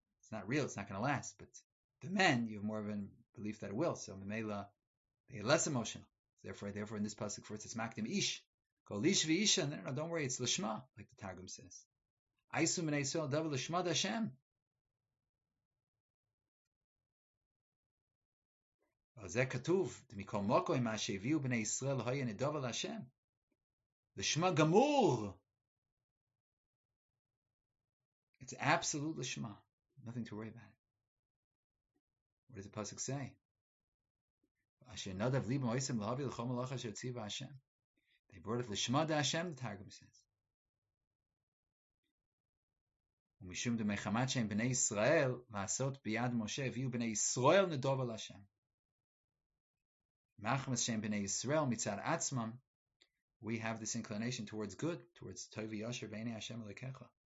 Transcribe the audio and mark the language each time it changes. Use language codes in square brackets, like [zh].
[en] It's not real, it's not going to last, but the men, you have more of a belief that it will. So Mimela, they are less emotional. Therefore, in this pasuk, first it's makdim ish. Kol ish v'isha. No, don't worry, it's l'shma, like the Targum says. [arc] Aisu menei sol, davu l'shma d'Hashem. [he] אבל זה כתוב, מכל מקום, מה שהביאו בני ישראל, היה נדבה להשם. לשמה גמור. [en] It's absolute לשמה. Nothing to worry about. What does the pasuk say? [he] אשר נדב ליבם עושם להביא לכל מלאכה אשר ציווה השם. [en] They brought it לשמה דה השם, the Targum says. [he] ומשום דמחמת שהם בני ישראל, לעשות ביד משה, הביאו בני ישראל נדוב על השם. מחמס שהם בני ישראל מצד עצמם, [en] we have this inclination towards good, towards [he] טוב ויושר בעיני השם אלוקיך.